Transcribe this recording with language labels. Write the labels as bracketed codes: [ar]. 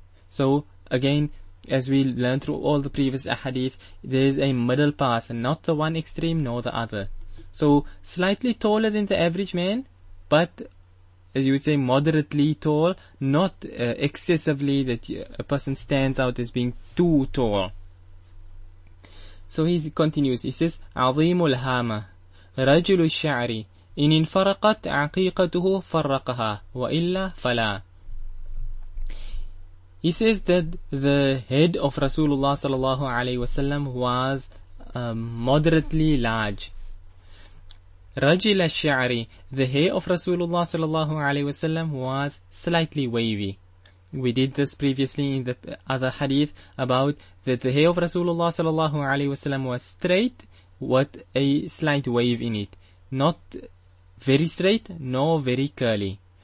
[en] So again, as we learned through all the previous ahadith, there is a middle path, not the one extreme nor the other. So slightly taller than the average man, but as you would say, moderately tall, not excessively that a person stands out as being too tall. So he continues, he says, [ar] عظيم الهامة رجل الشعر إن انفرقت عقيقته فرقها وإلا فلا. [en] He says that the head of Rasulullah sallallahu alayhi wasallam was moderately large. [ar] رجل الشعر, [en] the hair of Rasulullah sallallahu alaihi wasallam was slightly wavy. We did this previously in the other hadith about that the hair of Rasulullah sallallahu alaihi wasallam was straight with a slight wave in it, not very straight nor very curly.